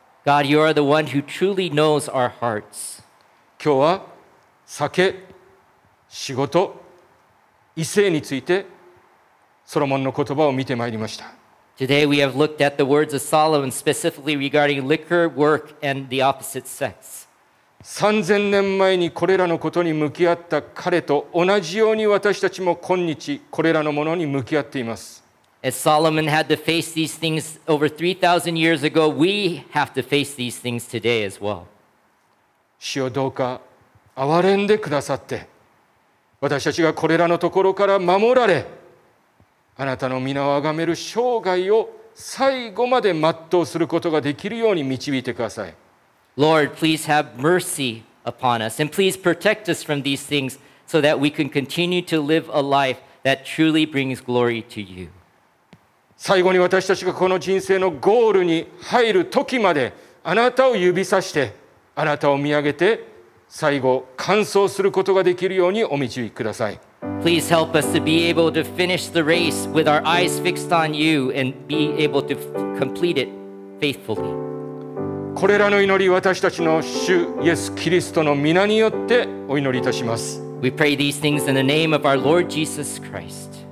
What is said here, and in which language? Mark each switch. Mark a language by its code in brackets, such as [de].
[en] God, you are the one who truly knows our hearts. [ja] 今日は酒、仕事、異性についてソロモンの言葉を見てまいりました。 [en] Today we have looked at the words of Solomon specifically regarding liquor, work, and the opposite sex. [ja] 3000年前にこれらのことに向き合った彼と同じように私たちも今日これらのものに向き合っています。 [en] As Solomon had to face these things over 3,000 years ago, we have to face these things today as well. [ja] 主よ、どうか憐れんでくださって、私たちがこれらのところから守られ、あなたの皆をあがめる生涯を最後まで全うすることができるように導いてください。 [en] Lord, please have mercy upon us and please protect us from these things so that we can continue to live a life that truly brings glory to you. [ja] 最後に私たちがこの人生のゴールに入る時まで、あなたを指さして、あなたを見上げて、最後完走することができるようにお導きください。 [en] Please help us to be able to finish the race with our eyes fixed on you and be able to complete it faithfully. [ja] これらの祈り、私たちの主イエス・キリストの御名によってお祈りいたします。 [en] We pray these things in the name of our Lord Jesus Christ.